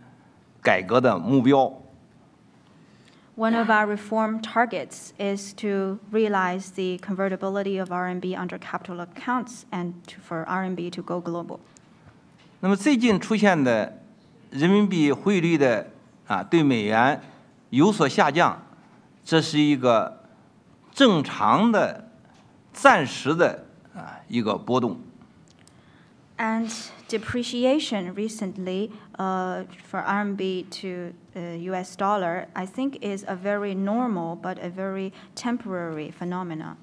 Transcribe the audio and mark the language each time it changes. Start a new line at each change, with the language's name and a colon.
Chinese: 人民币对美元贬值这个情况有什么样的看法？同时呢，在人民币自由化和资本项目可兑换的问题上，中国有没有一个时间表？人民币在资本项目上可兑换，以及成为国际货币，是我们改革的目标。
English: One of our reform targets is to realize the convertibility of RMB under capital accounts and for RMB to go global.
Chinese: 那么最近出现的人民币汇率的对美元有所下降，这是一个正常的、暂时的一个波动。
English: And depreciation recently for RMB to US dollar, I think, is a very normal but a very temporary phenomenon.